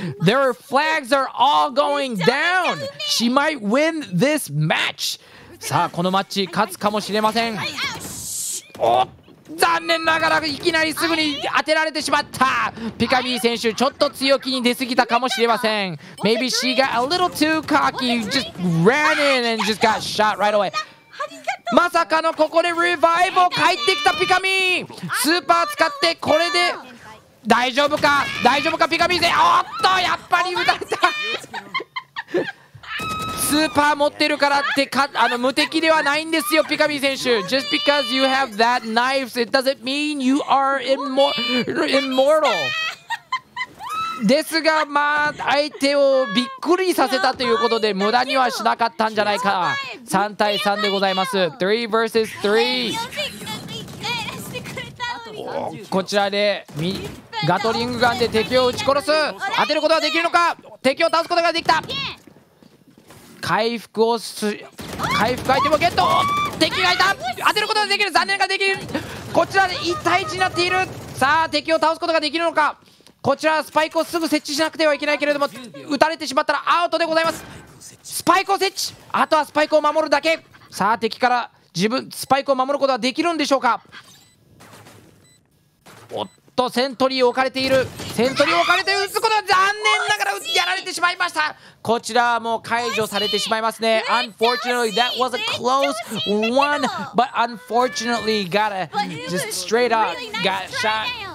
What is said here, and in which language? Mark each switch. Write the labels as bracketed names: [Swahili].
[English] Their flags are all going down. She might win this match. [Japanese] さあこのマッチ勝つかもしれません。おっ残念ながらいきなりすぐに当てられてしまった。ピカミー選手ちょっと強気に出すぎたかもしれません。 [English] Maybe she got a little too cocky. Just ran in and just got shot right away. [Japanese] まさかのここでリバイブを返ってきたピカミー。スーパー使ってこれで大丈夫か。大丈夫かピカミー選手。おっとやっぱり撃たれた。スーパー持ってるからってか、あの無敵ではないんですよピカミー選手。 [English] Just because you have that knife it doesn't mean you are immortal. [Japanese] ですがまあ相手をびっくりさせたということで無駄にはしなかったんじゃないか。 3対3でございます。3vs3。こちらでガトリングガンで敵を撃ち殺す。当てることができるのか。敵を倒すことができた。回復をす回復アイテムをゲット。敵がいた。当てることができる。残念ができる。こちらで1対1になっている。さあ敵を倒すことができるのか。こちらスパイクをすぐ設置しなくてはいけないけれども撃たれてしまったらアウトでございます。スパイクを設置。あとはスパイクを守るだけ。さあ敵から自分スパイクを守ることはできるんでしょうか。おっとセントリーを置かれている。セントリーを置かれて撃つことは残念ながらやられてしまいました。こちらはもう解除されてしまいますね。 [English] Unfortunately that was a close one, but unfortunately got a just straight up got shot.